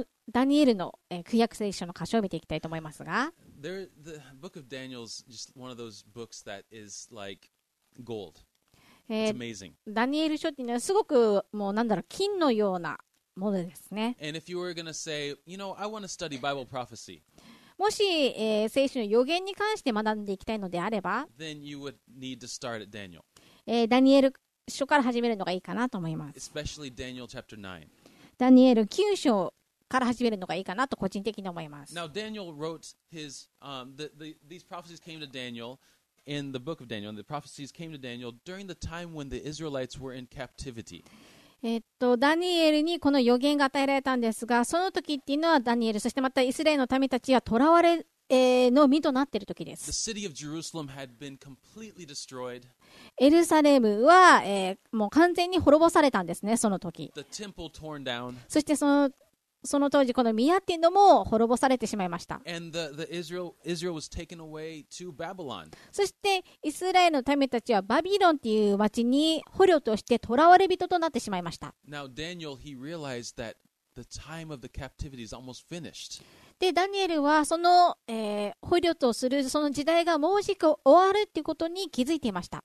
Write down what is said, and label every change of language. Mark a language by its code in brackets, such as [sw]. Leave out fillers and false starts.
[ja] ダニエルの旧約聖書の箇所を見ていきたいと思いますが、 [en] The book of Daniel is just one of those books that is like gold. It's amazing. [ja] ダニエル書っていうのはすごくもうなんだろう、金のようなものですね。 [en] And if you were going to say, you know, I want to study Bible prophecy. [ja] もし、聖書の予言に関して学んでいきたいのであれば、 [en] then you would need to start at Daniel. [ja] ダニエル書から始めるのがいいかなと思います。 [en] Especially Daniel chapter 9. [ja] ダニエル9章から始めるのがいいかなと個人的に思います。 [en] Now Daniel wrote his these prophecies came to Daniel in the book of Daniel. The prophecies came to Daniel during the time when the Israelites were in captivity. [ja] ダニエルにこの予言が与えられたんですが、その時っていうのはダニエル、そしてまたイスラエルの民たちは囚われの身となっている時です。 [en] The city of Jerusalem had been completely destroyed. [ja] エルサレムは、もう完全に滅ぼされたんですね、その時。 [en] The temple torn down. [ja] そしてその当時この宮っていうのも滅ぼされてしまいました。 [en] Israel was taken away to Babylon. [ja] そしてイスラエルの民たちはバビロンという町に捕虜として囚われ人となってしまいました。 [en] Now, Daniel, he realized that the time of the captivity is almost finished. [ja] でダニエルはその、捕虜とするその時代がもうじく終わるっていうことに気づいていました。